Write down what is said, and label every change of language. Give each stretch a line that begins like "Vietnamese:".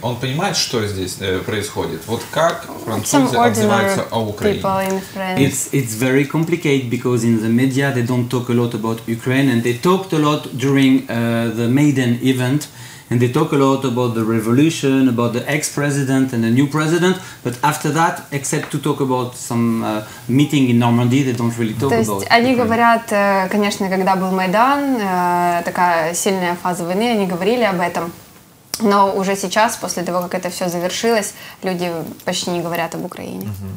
Russian: Он понимает, что здесь происходит? Вот как французы отзываются о Украине?
English: It's very complicated because in the media they don't talk a lot about Ukraine and they talked a lot during the Maidan event. And they talk a lot about the revolution, about the ex-president and the new president. But after that, except to talk about some meeting in Normandy, they don't really talk about.
Russian: То есть они говорят, конечно, когда был Майдан, такая сильная фаза войны, они говорили об этом. Но уже сейчас, после того, как это все завершилось, люди почти не говорят об Украине.